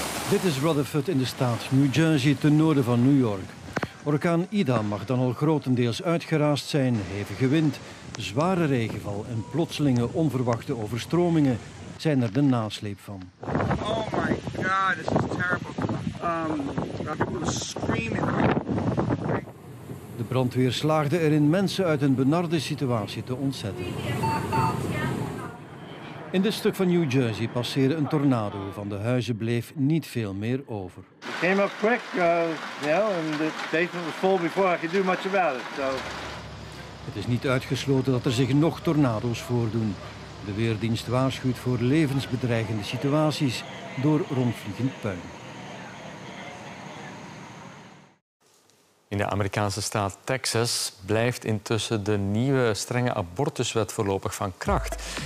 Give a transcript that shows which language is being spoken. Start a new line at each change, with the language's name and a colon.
Dutch: Dit is Rutherford in de staat New Jersey, ten noorden van New York. Orkaan Ida mag dan al grotendeels uitgeraasd zijn. Hevige wind, zware regenval en plotselinge onverwachte overstromingen zijn er de nasleep van.
English: Oh my god, this is terrible. People are screaming.
Dutch: De brandweer slaagde erin mensen uit een benarde situatie te ontzetten. In dit stuk van New Jersey passeerde een tornado. Van de huizen bleef niet veel meer over.
English: It came up quick, and the basement was full before I could do much about it. So.
Dutch: Het is niet uitgesloten dat er zich nog tornado's voordoen. De weerdienst waarschuwt voor levensbedreigende situaties door rondvliegend puin. In de Amerikaanse staat Texas blijft intussen de nieuwe strenge abortuswet voorlopig van kracht.